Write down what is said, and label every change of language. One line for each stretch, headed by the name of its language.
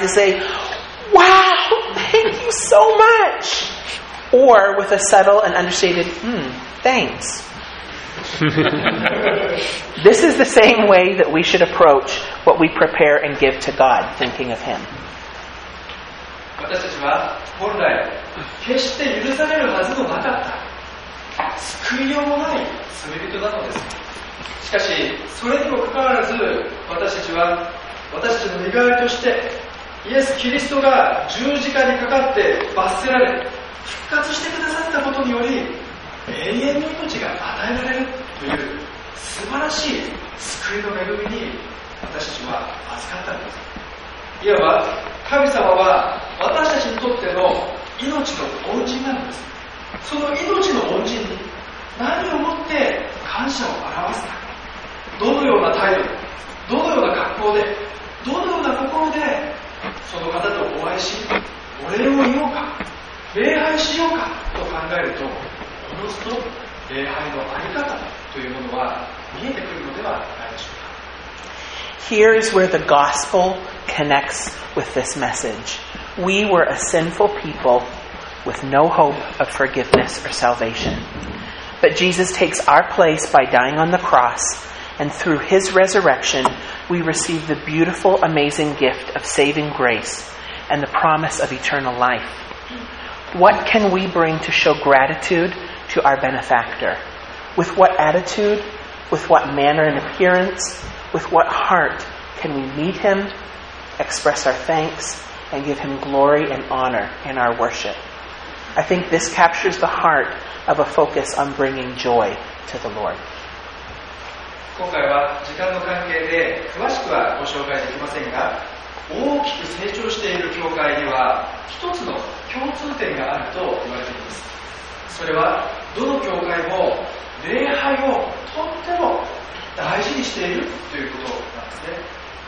English: They say, wow, thank you so much. Or with a subtle and understated, thanks. This is the same way that we should approach what we prepare and give to God, thinking of Him.
Japanese: 私たちは本来決して許されるはずのなかった救いようもない罪人なのです。しかしそれにもかかわらず、私たちの身代わりとしてイエス・キリストが十字架にかかって罰せられ復活してくださったことにより永遠の命が与えられるという素晴らしい救いの恵みに私たちは預かったんです。いわば神様は私たちにとっての命の恩人なんです。その命の恩人に何をもって感謝を表すか、どのような態度、どのような格好で、どのような心でその方とお会いし、お礼を言おうか、礼拝しようかと考えると、おのずと礼拝の在り方というものは見えてくるのではないでしょうか。
English: Here is where the gospel connects with this message. We were a sinful people with no hope of forgiveness or salvation. But Jesus takes our place by dying on the cross, and through his resurrection, we receive the beautiful, amazing gift of saving grace and the promise of eternal life. What can we bring to show gratitude to our benefactor? With what attitude, with what manner and appearance, with what heart can we meet him, express our thanks, and give him glory and honor in our worship? I think this captures the heart of a focus on bringing joy to the Lord.
Japanese: 今回は時間の関係で詳しくはご紹介できませんが、大きく成長している教会には一つの共通点があると言われています。それはどの教会も礼拝をとっても大事にしているということなんですね。